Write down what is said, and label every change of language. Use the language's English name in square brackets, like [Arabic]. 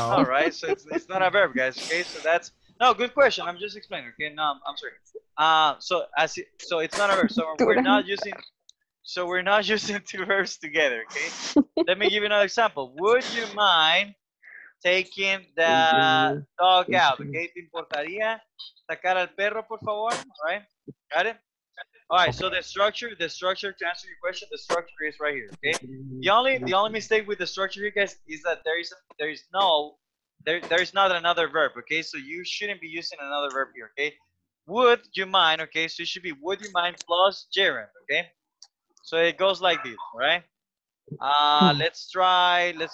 [English] All right, so it's not a verb, guys. Okay, so that's... No, good question. I'm just explaining, okay? No, I'm sorry. So it's not a verb. So we're not using two verbs together, okay? Let me give you another example. Would you mind taking the dog out. [Spanish] Okay, ¿te importaría sacar al perro, por favor? [English] All right, got it? All right, so the structure, to answer your question, the structure is right here, okay? The only mistake with the structure, you guys, is that there is not another verb, okay? So you shouldn't be using another verb here, okay? Would you mind, okay? So it should be would you mind plus gerund, okay? So it goes like this, right? Let's try.